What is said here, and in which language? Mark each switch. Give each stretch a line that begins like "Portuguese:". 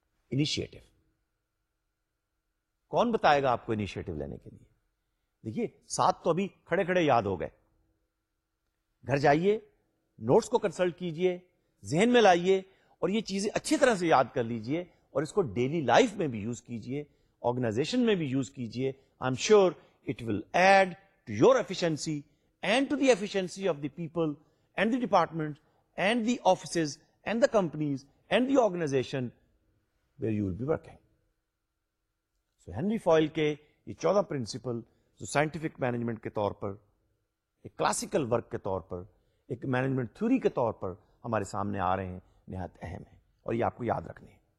Urdu: Initiative, کون بتائے گا آپ کو انیشیٹو لینے کے لیے؟ دیکھیے 7 تو ابھی کھڑے کھڑے یاد ہو گئے. گھر جائیے, نوٹس کو کنسلٹ کیجئے, ذہن میں لائیے اور یہ چیزیں اچھی طرح سے یاد کر لیجئے اور اس کو ڈیلی لائف میں بھی یوز کیجئے, آرگنائزیشن میں بھی یوز کیجئے.
English: I am sure it will add to your efficiency and to the efficiency of the people and the department and the offices and the companies and the organisation where you will be working.
Urdu: So Henry فوئل کے یہ 14 principal جو scientific management کے طور پر, ایک classical work کے طور پر, ایک management theory کے طور پر ہمارے سامنے آ رہے ہیں, نہایت اہم ہیں اور یہ آپ کو یاد رکھنے ہیں.